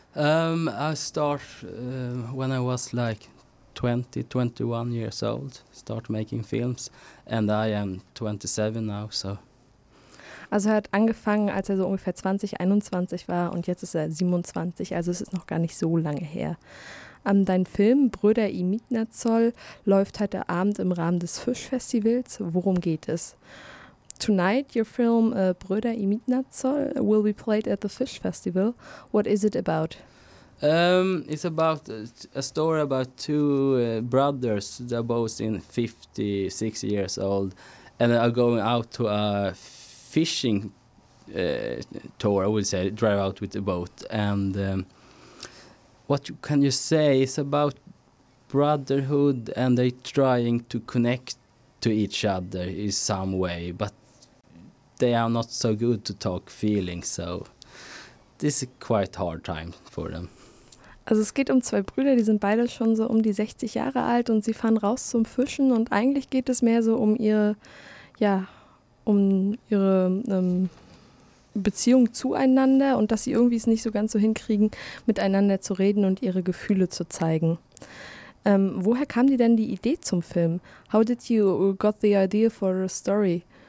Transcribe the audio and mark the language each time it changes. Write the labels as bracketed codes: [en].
[en] I start when I was like 20, 21 years old, start making films, and I am 27 now, so. [de] Also er hat angefangen, als er so ungefähr 20, 21 war und jetzt ist er 27, also es ist noch gar nicht so lange her. Dein Film Brüder im Mietnerzoll läuft heute Abend im Rahmen des Fischfestivals. Worum geht es? [en] Tonight your film Brüder im Mietnerzoll will be played at the Fish Festival. What is it about? It's about a story about two brothers that are both in 56 years old and are going out to a fishing tour, I would say, drive out with the boat. And what can you say? It's about brotherhood and they trying to connect to each other in some way, but they are not so good to talk feelings, so this is quite hard time for them. [de] Also es geht um zwei Brüder, die sind beide schon so um die 60 Jahre alt und sie fahren raus zum Fischen und eigentlich geht es mehr so um ihre, ja, um ihre Beziehung zueinander und dass sie irgendwie es nicht so ganz so hinkriegen, miteinander zu reden und ihre Gefühle zu zeigen. Woher kam dir denn die Idee zum Film? [en] How did you got the idea for a story?